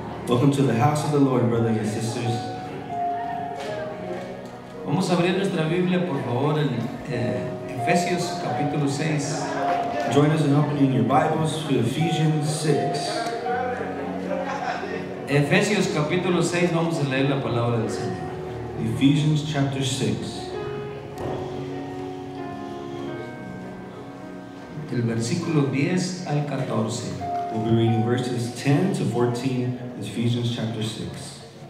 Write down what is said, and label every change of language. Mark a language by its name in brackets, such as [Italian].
[English] Welcome to the house of the Lord, brothers and sisters. [Spanish] Vamos a abrir nuestra Biblia, por favor, en Efesios capítulo 6. [English] Join us in opening your Bibles to Ephesians 6. [Spanish] Efesios capítulo 6, vamos a leer la palabra del Señor. [English] Ephesians chapter 6. [Spanish] Del versículo 10 al 14. [English] We'll be reading verses 10 to 14 in Ephesians chapter 6.